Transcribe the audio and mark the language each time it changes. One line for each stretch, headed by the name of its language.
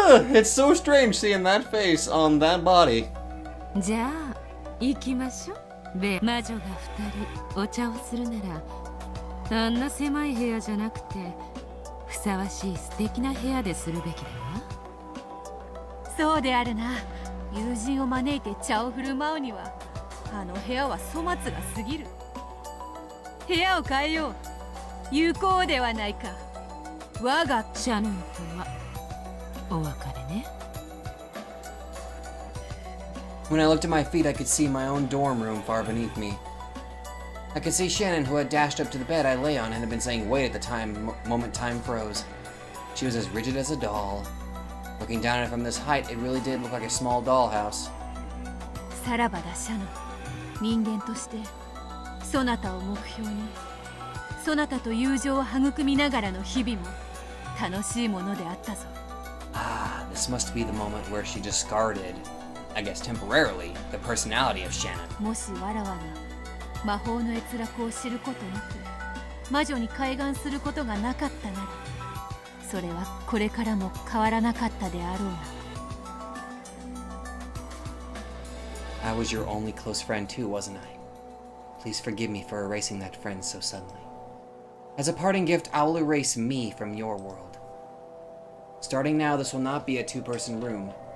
English: It's so strange seeing that face on that body.
Japanese: じゃあ行きましょう。ベ、魔女が二人お茶をするなら、あんな狭い部屋じゃなくて、ふさわしい素敵な部屋でするべきだわ。そうであるな。友人を招いて茶を振る舞うには、あの部屋は粗末が過ぎる。部屋を変えよう。有効ではないか。我がシャノンとはお別れね。
English: When I looked at my feet, I could see my own dorm room far beneath me. I could see Shannon, who had dashed up to the bed I lay on and had been saying wait at the time moment time froze. She was as rigid as a doll. Looking down at it from this height, it really did look like a small dollhouse.
Japanese: さらばだ、シャノン。人間としてそなたを目標に、そなたと友情を育みながらの日々も楽しいものであったぞ。
English: Ah, this must be the moment where she discarded, I guess temporarily, the personality of Shannon.
Japanese: もしわらわが魔法の閲落を知ることなく、魔女に開眼することがなかったなら、それはこれからも変わらなかったであろうな。
English: I was your only close friend too, wasn't I? Please forgive me for erasing that friend so suddenly. As a parting gift, I will erase me from your world. Starting now, this will not be a two-person room.